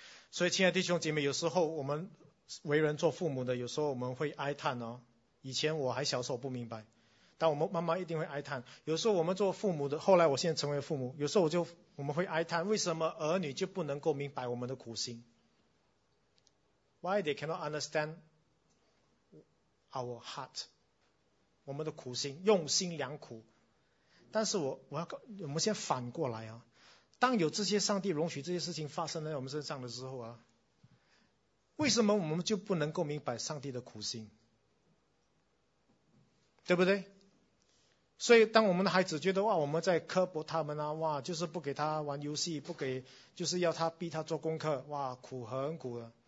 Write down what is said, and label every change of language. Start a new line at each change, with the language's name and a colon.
Chinese: 所以亲爱的弟兄姐妹，有时候我们为人做父母的，有时候我们会哀叹哦。以前我还小时候不明白，但我们慢慢一定会哀叹。有时候我们做父母的，后来我现在成为父母，有时候我们会哀叹，为什么儿女就不能够明白我们的苦心？
English: Why they cannot understand our heart?
Chinese: 我们的苦心，用心良苦。但是我们先反过来啊，当有这些上帝容许这些事情发生在我们身上的时候啊，为什么我们就不能够明白上帝的苦心？对不对？所以当我们的孩子觉得哇，我们在刻薄他们啊，哇，就是不给他玩游戏，不给，就是要他逼他做功课，哇，苦很苦的。